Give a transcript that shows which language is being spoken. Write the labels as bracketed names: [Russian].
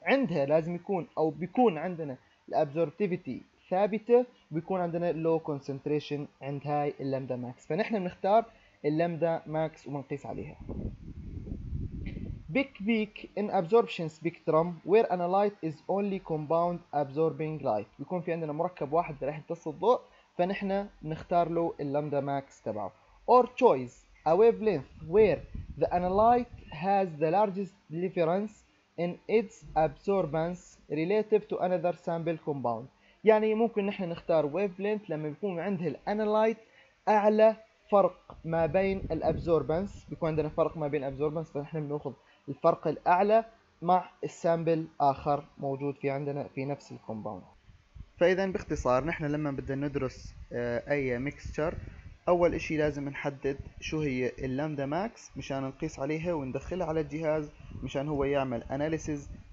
[Arabic] عندها لازم يكون او بيكون عندنا الابزوربتيفيتي ثابتة، بيكون عندنا [English] low concentration [Arabic] عند هاي اللامدا ماكس، فنحن بنختار اللامدا ماكس وبنقيس عليها. [English] Big peak in absorption spectrum where analyte is only compound absorbing light، [Arabic] بيكون في عندنا مركب واحد راح يمتص الضوء، فنحن بنختار له اللامدا ماكس تبعه. [English] Or choice a wavelength where the analyte has the largest difference in its absorbance relative to another sample compound. [Arabic] يعني ممكن نحن نختار wavelength لما يكون عنده الانالايت اعلى فرق ما بين الابزوربنس، بيكون عندنا فرق ما بين الابزوربنس، فنحن بناخذ الفرق الاعلى مع السامبل اخر موجود في عندنا في نفس الكومباوند. فاذا باختصار نحن لما بدنا ندرس اي ميكستشر اول اشي لازم نحدد شو هي اللامدا ماكس مشان نقيس عليها وندخلها على الجهاز مشان هو يعمل اناليسز